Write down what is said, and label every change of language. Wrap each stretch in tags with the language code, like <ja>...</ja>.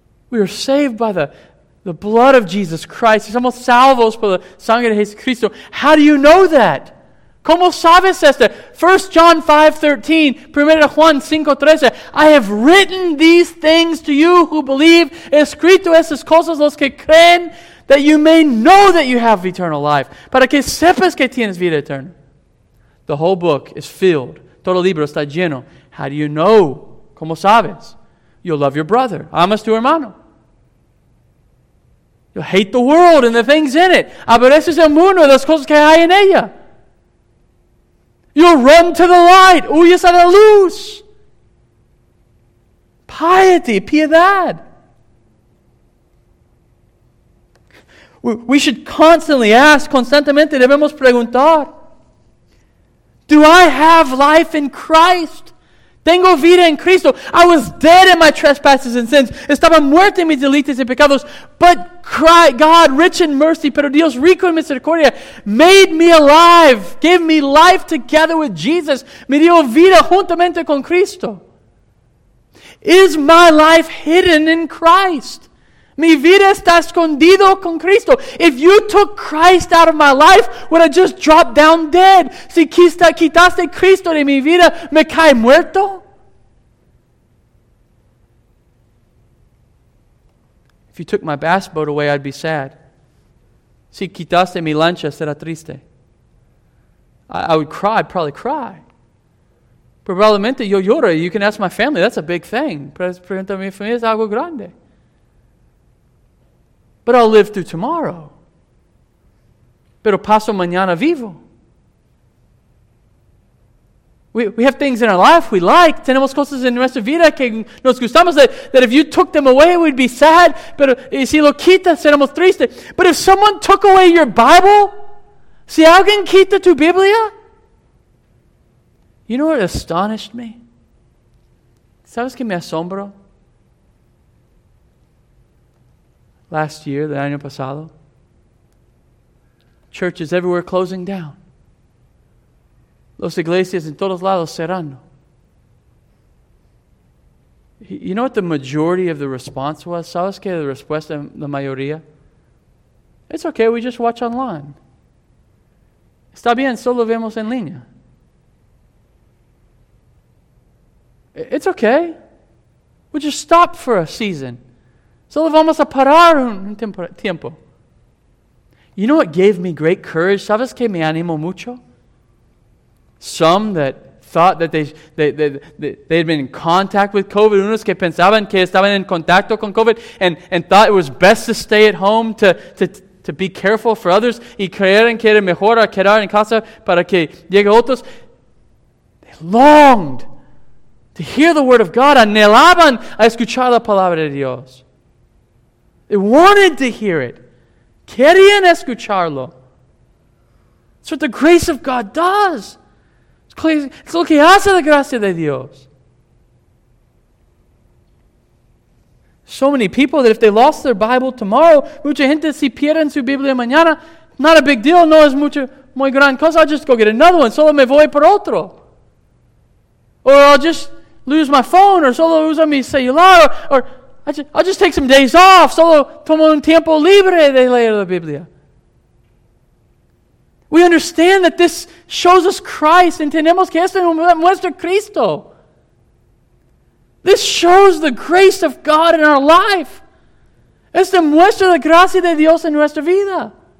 <en>We are saved by the blood of Jesus Christ.</en> <es>Somos salvos por la sangre de Jesucristo.</es> <en>How do you know that?</en> <es>¿Cómo sabes esto?</es> <en>1 John 5:13, 1 Juan 5:13. I have written these things to you who believe.</en> <es>Escrito estas cosas los que creen</es> <en>that you may know that you have eternal life.</en> <es>Para que sepas que tienes vida eterna.</es> <en>The whole book is filled.</en> <es>Todo libro está lleno.</es> <en>How do you know?</en> <es>¿Cómo sabes?</es> <en>You'll love your brother.</en> <es>Amas tu hermano.</es> <en>You'll hate the world and the things in it.</en> <es>Aborreces el mundo y las cosas que hay en ella.</es> <en>You'll run to the light.</en> <es>Huyes a la luz.</es> <en>Piety, piedad. We should constantly ask,</en> <es>constantemente debemos preguntar.</es> <en>Do I have life in Christ?</en> <es>Tengo vida en Cristo.</es> <en>I was dead in my trespasses and sins.</en> <es>Estaba muerto en mis delitos y pecados.</es> <en>But Christ, God, rich in mercy,</en> <es>pero Dios rico en misericordia,</es> <en>made me alive. Gave me life together with Jesus.</en> <es>Me dio vida juntamente con Cristo.</es> <en>Is my life hidden in Christ?</en> <es>Mi vida está escondido con Cristo.</es> <en>If you took Christ out of my life, would I just drop down dead?</en> <es>Si quitaste Cristo de mi vida, me cae muerto?</es> <en>If you took my bass boat away, I'd be sad.</en> <es>Si quitaste mi lancha, será triste.</es> <en>I would cry, I'd probably cry.</en> <es>Probablemente yo lloro.</es> <en>You can ask my family, that's a big thing.</en> <es>Pregunta a mi familia, es algo grande.</es> <en>But I'll live through tomorrow.</en> <es>Pero paso mañana vivo.</es> <en>We have things in our life we like.</en> <es>Tenemos cosas en nuestra vida que nos gustamos</es> <en>that if you took them away, we'd be sad.</en> <es>Pero y si lo quitas, seremos tristes.</es> <en>But if someone took away your Bible,</en> <es>si alguien quita tu Biblia,</es> <en>you know what astonished me?</en> <es>¿Sabes que me asombro?</es> <en>Last year, the</en> <es>año pasado,</es> <en>churches everywhere closing down.</en> <es>Los iglesias en todos lados cerrando.</es> <en>You know what the majority of the response was?</en> <es>¿Sabes qué la respuesta de la mayoría?</es> <en>It's okay, we just watch online.</en> <es>Está bien, solo vemos en línea.</es> <en>It's okay. We just stop for a season.</en> <es>Solo vamos a parar un tiempo.</es> <en>You know what gave me great courage?</en> <es>¿Sabes que me animó mucho?</es> <en>Some that thought that they had been in contact with COVID.</en> <es>Unos que pensaban que estaban en contacto con COVID</es> <en>and thought it was best to stay at home to be careful for others.</en> <es>Y creyeron que era mejor a quedar en casa para que llegue otros.</es> <en>They longed to hear the word of God.</en> <es>Anhelaban a escuchar la palabra de Dios.</es> <en>They wanted to hear it.</en> <es>Querían escucharlo.</es> <en>That's what the grace of God does.</en> <es>It's lo que hace la gracia de Dios.</es> <en>So many people that if they lost their Bible tomorrow,</en> <es>mucha gente si pierden su Biblia mañana,</es> <en>not a big deal,</en> <es>no es mucho, muy gran cosa,</es> <en>I'll just go get another one,</en> <es>solo me voy por otro.</es> <en>Or I'll just lose my phone, or</en> <es>solo uso mi celular,</es> <en>or I'll just take some days off,</en> <es>solo tomo un tiempo libre de leer la Biblia.</es> <en>We understand that this shows us Christ.</en> <es>Entendemos que esto muestra Cristo.</es> <en>This shows the grace of God in our life.</en> <es>Esto muestra la gracia de Dios en nuestra vida.</es>